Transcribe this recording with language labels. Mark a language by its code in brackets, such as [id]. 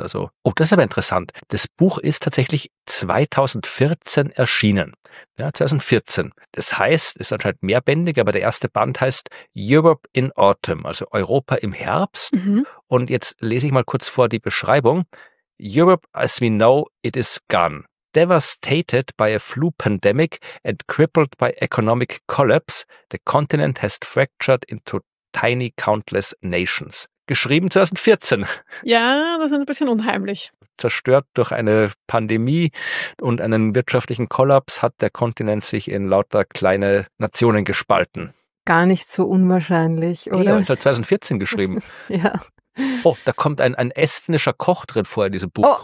[de] Also, oh, das ist aber interessant. Das Buch ist tatsächlich 2014 erschienen. Ja, 2014. Das heißt, ist anscheinend mehrbändig, aber der erste Band heißt Europe in Autumn, also Europa im Herbst. Mhm. Und jetzt lese ich mal kurz vor die Beschreibung. [en] Europe as we know it is gone. Devastated by a flu pandemic and crippled by economic collapse, the continent has fractured into tiny countless nations. [de] geschrieben 2014. Ja, das ist ein bisschen unheimlich. Zerstört durch eine Pandemie und einen wirtschaftlichen Kollaps hat der Kontinent sich in lauter kleine Nationen gespalten. Gar nicht so unwahrscheinlich, oder? Ja, ist halt 2014 geschrieben. Ja. Oh, da kommt ein estnischer Koch drin vor in diesem Buch,